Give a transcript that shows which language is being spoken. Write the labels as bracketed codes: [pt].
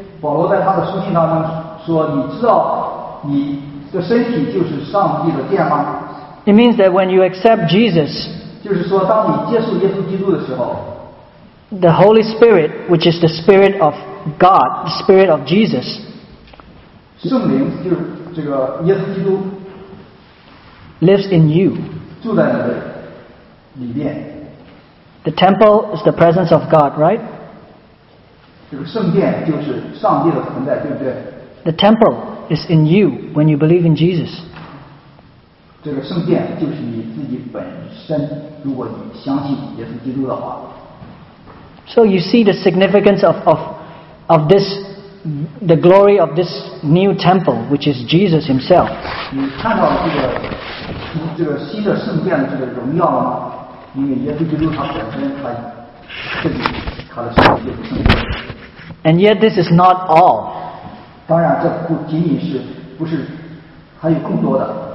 [zh] 保罗在他的书信当中说，你知道你的身体就是上帝的殿吗？ [en] It means that when you accept Jesus, [zh] 就是说当你接受耶稣基督的时候， [en] the Holy Spirit, which is the Spirit of God, the Spirit of Jesus, [zh] 圣灵就是这个耶稣基督。 [en] Lives in you. [zh] 住在你的里面。 [en] The temple is the presence of God, right? [zh] 这个圣殿就是上帝的存在，对不对？ [en] The temple is in you when you believe in Jesus. [zh] 这个圣殿就是你自己本身，如果你相信耶稣基督的话。 [en] So you see the significance of this, the glory of this new temple, which is Jesus himself. [zh] 你看到这个新的圣殿的这个荣耀了吗？因为耶稣基督他本身，他自己他的圣殿。 [en] And yet this is not all. [zh] 当然，这不仅仅是不是，还有更多的。